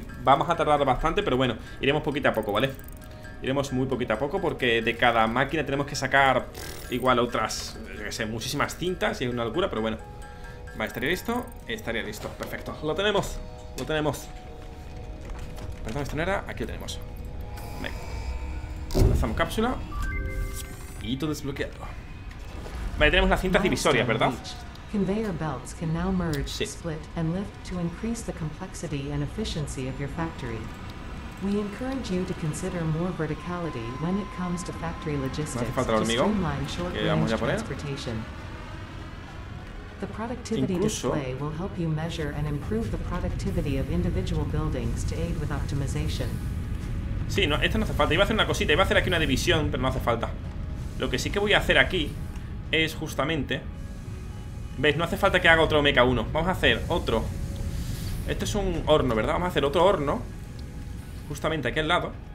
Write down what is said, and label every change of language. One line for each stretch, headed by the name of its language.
Spanish: Vamos a tardar bastante, pero bueno, iremos poquito a poco, ¿vale? Iremos muy poquito a poco, porque de cada máquina tenemos que sacar igual otras, yo qué sé, muchísimas cintas, y es una locura, pero bueno. Vale, ¿estaría listo? Estaría listo, perfecto. ¡Lo tenemos! ¡Lo tenemos! Perdón, esta no era, aquí lo tenemos. Venga, lanzamos cápsula y todo desbloqueado. Vale, tenemos las cintas divisorias, ¿verdad?
English: Conveyor belts can now merge, split and lift to increase the complexity and efficiency of your factory. We encourage you to consider more verticality when it comes to factory logistics.
Spanish: No hace falta el hormigón.
English: Streamline short-range transportation. The productivity display will help you measure and improve the productivity of individual buildings to aid with optimization.
Spanish: Sí, no, esto no hace falta. Iba a hacer una cosita, iba a hacer aquí una división, pero no hace falta. Lo que sí que voy a hacer aquí es justamente... ¿Ves? No hace falta que haga otro Mecha 1. Vamos a hacer otro. Este es un horno, ¿verdad? Vamos a hacer otro horno justamente aquí al lado.